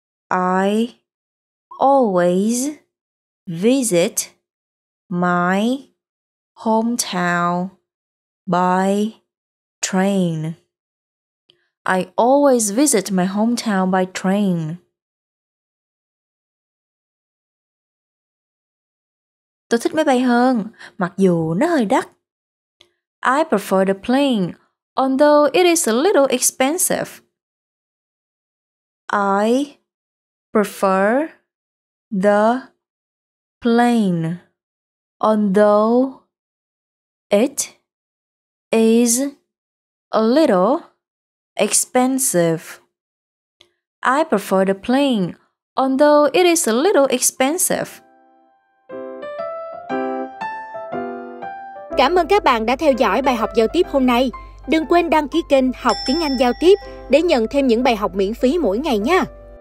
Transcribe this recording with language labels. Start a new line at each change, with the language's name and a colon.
English: I always visit my hometown by train. I always visit my hometown by train.
Vietnamese: Tôi thích máy bay hơn, mặc dù nó hơi đắt.
English: I prefer the plane, although it is a little expensive. I prefer the plane, although it is a little expensive. I prefer the plane, although it is a little expensive.
Vietnamese: Cảm ơn các bạn đã theo dõi bài học giao tiếp hôm nay. Đừng quên đăng ký kênh Học Tiếng Anh Giao Tiếp để nhận thêm những bài học miễn phí mỗi ngày nha.